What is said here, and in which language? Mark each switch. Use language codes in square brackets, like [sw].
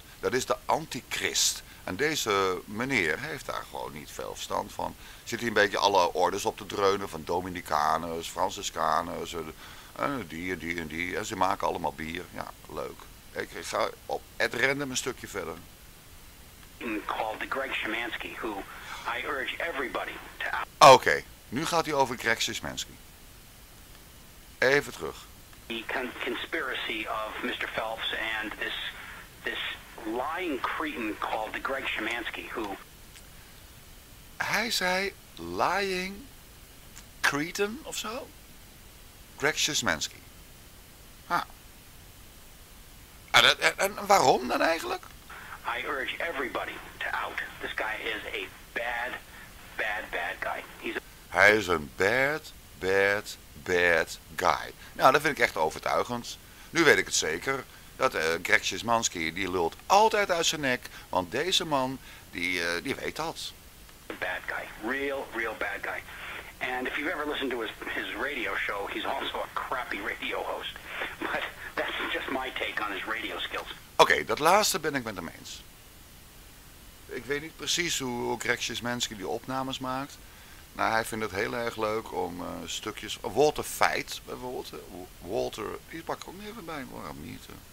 [nl] Dat is de antichrist. En deze meneer heeft daar gewoon niet veel verstand van. Zit hier een beetje alle orders op te dreunen van Dominicanus, Franciscanus. Die. En ze maken allemaal bier. Ja, leuk. Ik ga op Ed Random een stukje verder. [en] Called the Greg Schimansky, who I urge everybody to... [nl] Oké, nu gaat hij over Greg Schimansky. Even terug. [en] The conspiracy of Mr. Phelps and this lying cretin called the Greg Schimansky, who... [nl] Hij zei [en] lying cretin [nl] of zo? Greg Schimansky. Ah. En waarom dan eigenlijk? [en] I urge everybody to out. This guy is a bad, bad, bad guy. [nl] Hij is een [en] bad, bad, bad guy. [nl] Nou, dat vind ik echt overtuigend. Nu weet ik het zeker. Dat Greg Schimansky, die lult altijd uit zijn nek. Want deze man, die weet dat. [en] Bad guy. Real, real bad guy. And if you've ever listened to his radio show, he's also a crappy radio host. But that's just my take on his radio skills. [nl] Oké, dat laatste ben ik met hem eens. Ik weet niet precies hoe Greg Schimansky die opnames maakt. Nou, hij vindt het heel erg leuk om stukjes... Walter Veit, bijvoorbeeld. Walter, die pak ik ook even bij. Waarom niet?